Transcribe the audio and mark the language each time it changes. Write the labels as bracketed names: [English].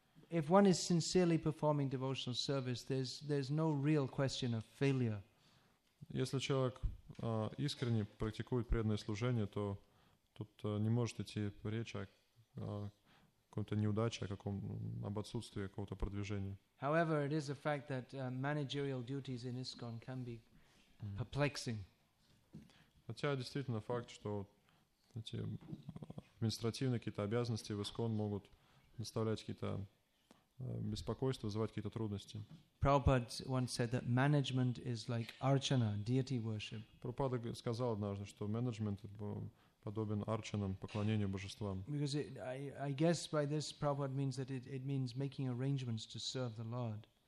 [English] If one is sincerely performing devotional service, there's no real question of failure. [Russian] Если человек искренне практикует преданное служение, то тут не может идти речь о какой-то неудаче, о каком, об отсутствии какого-то продвижения. [English] However, it is a fact that managerial duties in ISKCON can be perplexing. [Russian] Хотя действительно факт, что эти административные какие-то обязанности в ИСКОН могут доставлять какие-то беспокойство, вызывать какие-то трудности. [English] Prabhupada once said that management is like archana, deity worship. [Russian] Прабхупада сказал однажды, что менеджмент подобен арчанам, поклонению божествам. [English] Because I guess by this Prabhupada means that it means making arrangements to serve the Lord.